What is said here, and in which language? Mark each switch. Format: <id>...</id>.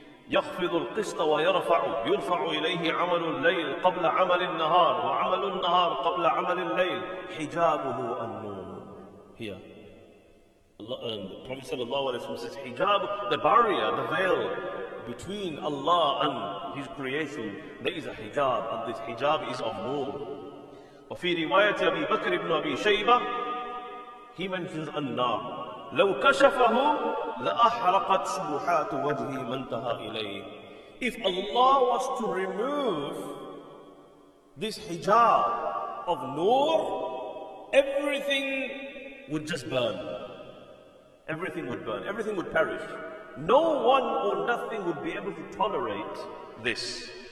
<ar>يخفض القسط ويرفع يرفع إليه عمل الليل قبل عمل النهار وعمل النهار قبل عمل الليل حجابه النور.</ar> <en>Here, Allah, the Prophet sallallahu alaihi wasallam says, "Hijab, the barrier, the veil between Allah and His creation, there is a hijab, and this hijab is of noor."</en> <ar>وفي رواية أبي بكر بن أبي شيبة,</ar> <en>he mentions</en> <ar>النار. لو كشفه لأحرقت سبحات وجهي منتهى إليه.</ar> <en>If Allah was to remove this hijab of noor, everything would just burn. Everything would burn. Everything would perish. No one or nothing would be able to tolerate this.</en>